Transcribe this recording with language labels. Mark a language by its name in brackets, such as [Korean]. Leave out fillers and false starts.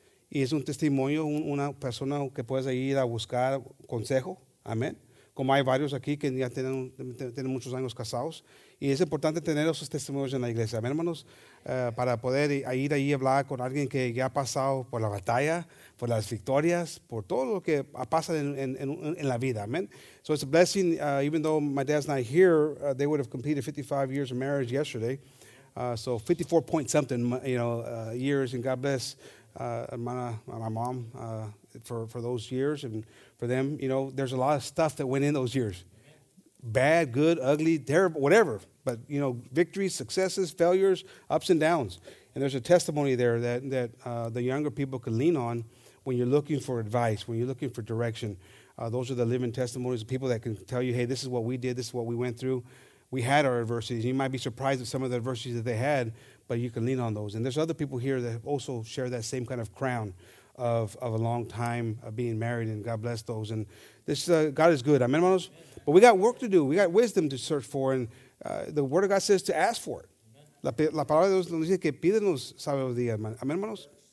[Spanish] Y es un testimonio, una persona que puedes ir a buscar consejo, amén. Como hay varios aquí que ya tienen muchos años casados. Y es importante tener esos testimonios en la iglesia, amén, hermanos. Para poder ir ahí a hablar con alguien que ya ha pasado por la batalla, por las victorias, por todo lo que pasa en la vida, amén. [English] So it's a blessing, even though my dad's not here, they would have completed 55 years of marriage yesterday. So 54 point something, you know, years, and God bless my mom for those years and for them, you know, there's a lot of stuff that went in those years. Bad, good, ugly, terrible, whatever. But, you know, victories, successes, failures, ups and downs. And there's a testimony there that the younger people can lean on when you're looking for advice, when you're looking for direction. Those are the living testimonies of people that can tell you, hey, this is what we did, this is what we went through. We had our adversities. You might be surprised at some of the adversities that they had, but you can lean on those. And there's other people here that also share that same kind of crown of a long time of being married, and God bless those. And this God is good. Amen, hermanos? But we got work to do. We got wisdom to search for, and the Word of God says to ask for it. [Spanish] La palabra de Dios nos dice que pídenos sabiduría, amen, hermanos?